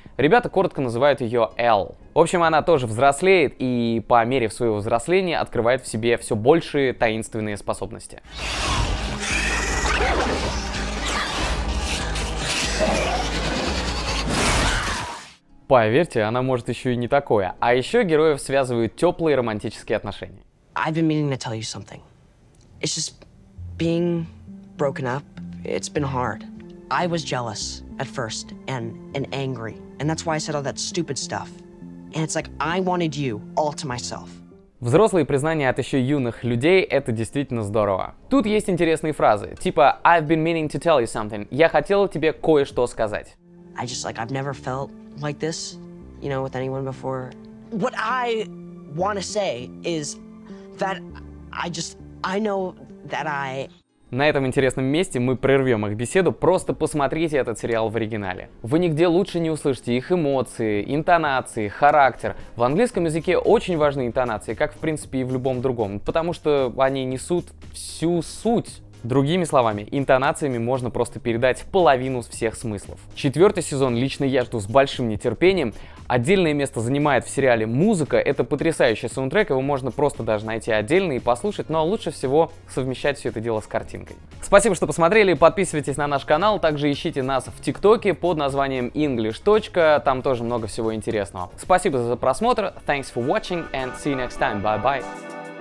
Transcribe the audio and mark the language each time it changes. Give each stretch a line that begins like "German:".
Russian: Ребята коротко называют ее Elle. В общем, она тоже взрослеет и по мере своего взросления открывает в себе все большие таинственные способности. Поверьте, она может еще и не такое. А еще героев связывают теплые романтические отношения.
English: I've been meaning to tell you something. It's just being broken up, it's been hard. I was jealous at first and angry, and that's why I said all that stupid stuff. And it's like I wanted you all to myself.
Russian: Взрослые признания от еще юных людей — это действительно здорово. Тут есть интересные фразы, типа
English: I've been meaning to tell you something.
Russian: Я хотел тебе кое-что сказать.
English: I just like I've never felt like this, you know, with anyone before. What I want to say is that I just, I know that I...
Russian: На этом интересном месте мы прервем их беседу, просто посмотрите этот сериал в оригинале. Вы нигде лучше не услышите их эмоции, интонации, характер. В английском языке очень важны интонации, как в принципе и в любом другом, потому что они несут всю суть. Другими словами, интонациями можно просто передать половину всех смыслов. 4-й сезон лично я жду с большим нетерпением. Отдельное место занимает в сериале музыка. Это потрясающий саундтрек, его можно просто даже найти отдельно и послушать. Но лучше всего совмещать все это дело с картинкой. Спасибо, что посмотрели. Подписывайтесь на наш канал. Также ищите нас в ТикТоке под названием English. Там тоже много всего интересного. Спасибо за просмотр.
English: Thanks for watching and see you next time. Bye-bye.